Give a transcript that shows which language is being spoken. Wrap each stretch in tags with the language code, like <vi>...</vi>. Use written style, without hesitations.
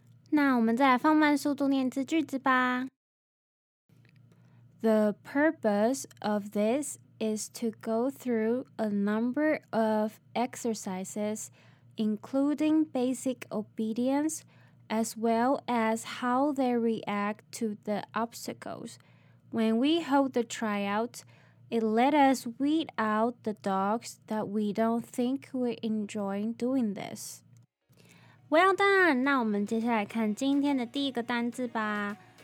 <zh>那我们再来放慢速度念这句子吧。</zh> <en>The purpose of this is to go through a number of exercises, including basic obedience, as well as how they react to the obstacles. When we hold the tryout, it let us weed out the dogs that we don't think we enjoy doing this. Well done!</en> <zh>那我们接下来看今天的第一个单字吧。</zh>